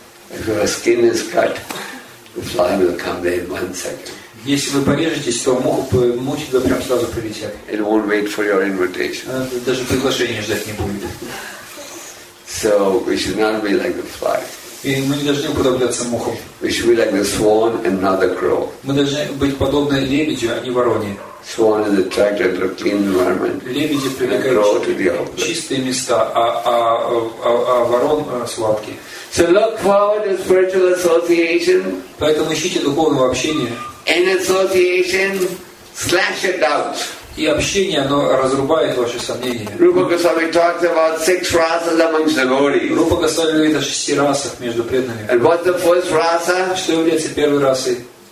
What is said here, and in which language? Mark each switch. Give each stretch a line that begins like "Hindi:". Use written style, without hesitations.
English: If your skin is cut, the fly will come there in one second.
Russian: Если вы порежетесь, то мухи туда прям сразу прилетят.
English: It won't wait for your invitation.
Russian: Даже приглашения ждать не будет.
English: So we should not be like the fly.
Russian: И мы не должны уподобляться мухам.
English: We should be like the swan and not the crow.
Russian: Мы должны быть подобны лебедю, а не вороне.
English: Swan is attracted to a clean environment.
Russian: Лебеди привлекают чистые места, а ворон сладкие.
English: So look forward to spiritual association.
Russian: Поэтому ищите духовного общения.
English: And association slash it out.
Russian: И общение, оно разрубает ваши сомнения.
English: Rupa Goswami talks about six rasas amongst the gauris.
Russian: Rupa Goswami говорит о шести расах между преданными.
English: And what's the first rasa?
Russian: Что является первой расой?